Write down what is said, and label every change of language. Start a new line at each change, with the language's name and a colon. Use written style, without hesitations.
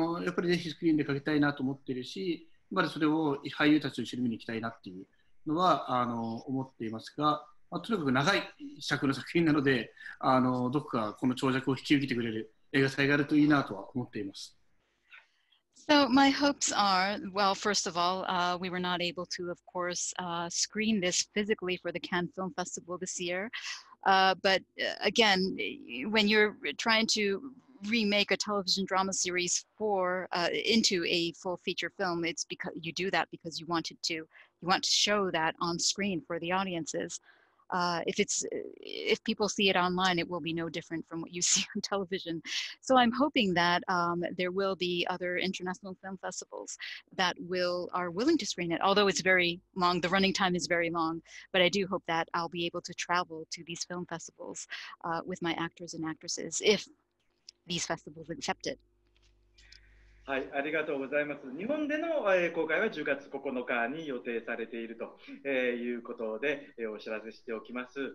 Japanese: っぱりぜひスクリーンで描きたいなと思ってるし、まだそれを俳優たちと一緒に見に行きたいなっていうのは思っていますが、とにかく長い尺の作品なので、どこかこの長尺を引き受けてくれる映画祭があるといいなとは思っています。
English: So my hopes are, well, first of all, we were not able to, of course, screen this physically for the Cannes Film Festival this year. But again, when you're trying to remake a television drama series into a full feature film, it's because you do that because you want to show that on screen for the audiences. If people see it online, it will be no different from what you see on television. So I'm hoping that there will be other international film festivals that are willing to screen it, although it's very long, the running time is very long, but I do hope that I'll be able to travel to these film festivals with my actors and actresses if these festivals accept it.
Japanese: はい、ありがとうございます。日本での、公開は10月9日に予定されていると、いうことで、お知らせしておきます。